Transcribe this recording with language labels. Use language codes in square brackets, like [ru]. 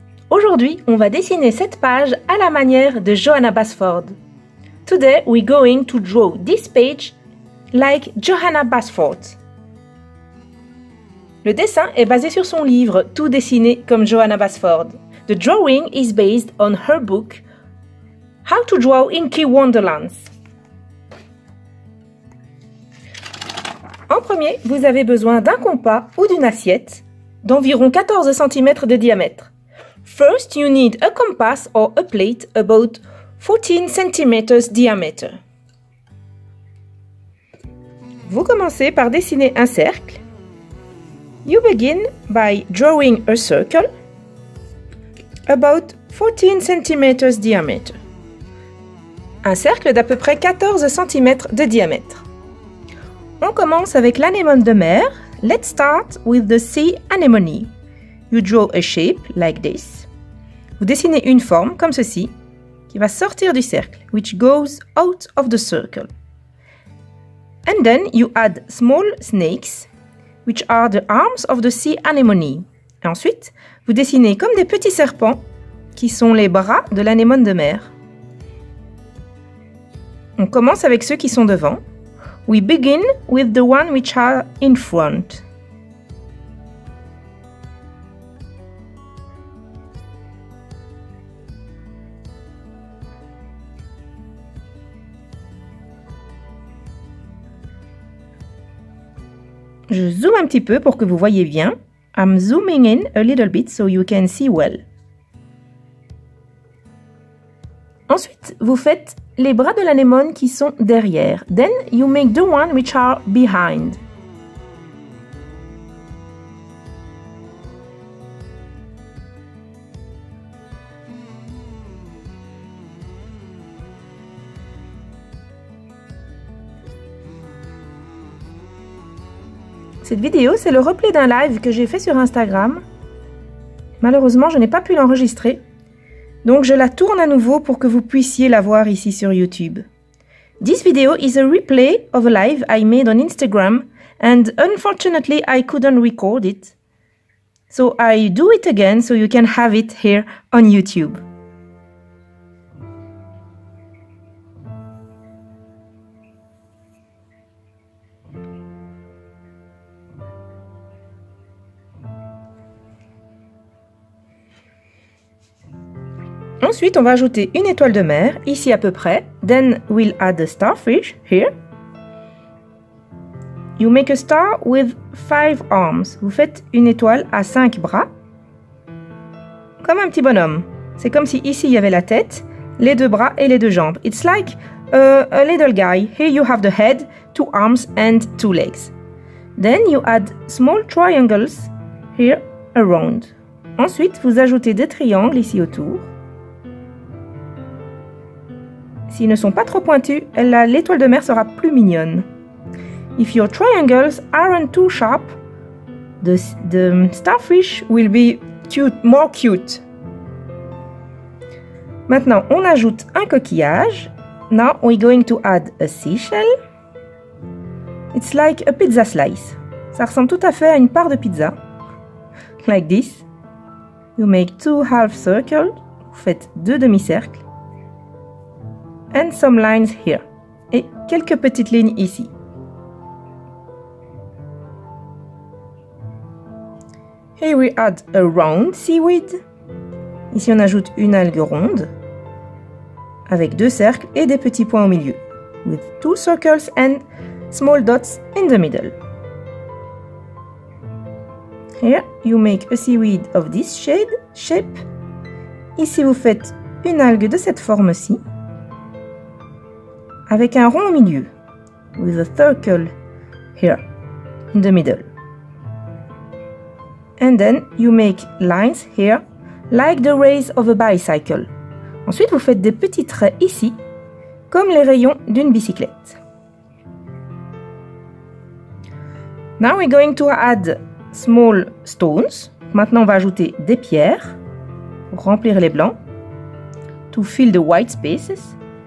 [fr] Aujourd'hui, on va dessiner cette page à la manière de Johanna Basford. [en] Today, we're going to draw this page like Johanna Basford. [fr] Le dessin est basé sur son livre « Tout dessiné comme Johanna Basford ». [en] The drawing is based on her book « How to draw in Inky Wonderlands ». [fr] En premier, vous avez besoin d'un compas ou d'une assiette d'environ 14 cm de diamètre. [en] First, you need a compass or a plate about 14 cm diameter. [fr] Vous commencez par dessiner un cercle. [en] You begin by drawing a circle about 14 cm diameter. [fr] Un cercle d'à peu près 14 cm de diamètre. On commence avec l'anémone de mer. [en] Let's start with the sea anemone. You draw a shape like this. [fr] Vous dessinez une forme comme ceci qui va sortir du cercle, [en] which goes out of the circle. And then you add small snakes, which are the arms of the sea anemone. [fr] Et ensuite, vous dessinez comme des petits serpents qui sont les bras de l'anémone de mer. On commence avec ceux qui sont devant. [en] We begin with the one which are in front. [fr] Je zoome un petit peu pour que vous voyez bien. [en] I'm zooming in a little bit so you can see well. [fr] Ensuite, vous faites les bras de l'anémone qui sont derrière. [en] Then you make the one which are behind. [fr] Cette vidéo, c'est le replay d'un live que j'ai fait sur Instagram. Malheureusement, je n'ai pas pu l'enregistrer. Donc, je la tourne à nouveau pour que vous puissiez la voir ici sur YouTube. [en] This video is a replay of a live I made on Instagram and unfortunately I couldn't record it. So I do it again so you can have it here on YouTube. [fr] Ensuite, on va ajouter une étoile de mer, ici à peu près. [en] Then we'll add a starfish here. You make a star with five arms. [fr] Vous faites une étoile à cinq bras. Comme un petit bonhomme. C'est comme si ici il y avait la tête, les deux bras et les deux jambes. [en] It's like a little guy. Here you have the head, two arms and two legs. Then you add small triangles here around. [fr] Ensuite, vous ajoutez des triangles ici autour. S'ils ne sont pas trop pointus, l'étoile de mer sera plus mignonne. [en] If your triangles aren't too sharp, the starfish will be cute, more cute. [fr] Maintenant, on ajoute un coquillage. [en] Now we're going to add a seashell. It's like a pizza slice. [fr] Ça ressemble tout à fait à une part de pizza. [en] Like this. You make two half circles. [fr] Vous faites deux demi-cercles. [en] And some lines here. [fr] Et quelques petites lignes ici. [en] Here we add a round seaweed. [fr] Ici, on ajoute une algue ronde. Avec deux cercles et des petits points au milieu. [en] With two circles and small dots in the middle. Here, you make a seaweed of this shape. [fr] Ici, vous faites une algue de cette forme-ci. Avec un rond au milieu, [en] with a circle here, in the middle. And then you make lines here, like the rays of a bicycle. [fr] Ensuite, vous faites des petits traits ici, comme les rayons d'une bicyclette. [en] Now we're going to add small stones. [fr] Maintenant, on va ajouter des pierres, pour remplir les blancs, [en] to fill the white spaces.